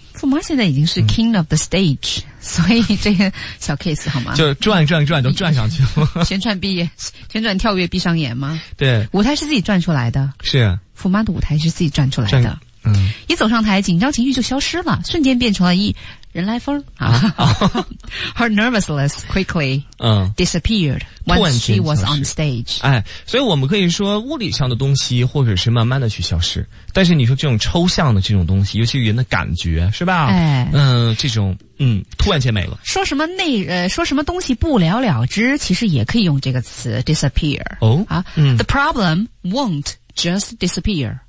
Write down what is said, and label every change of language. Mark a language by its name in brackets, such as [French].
[Chinese] 富妈现在已经是 [English] king of the stage、 [Chinese] 所以这个小 case 好吗，就转都转上去了。旋转跳跃闭上眼吗？对，舞台是自己转出来的，是富妈的舞台是自己转出来的。一走上台紧张情绪就消失了，瞬间变成了一人来疯啊。 [English] Her nervousness quickly disappeared when she was on stage. [Chinese] 哎，所以我们可以说物理上的东西或者是慢慢的去消失，但是你说这种抽象的这种东西，尤其是人的感觉是吧，这种突然间没了。说什么说什么东西不了了之，其实也可以用这个词 disappear。 [English] The problem won't just disappear。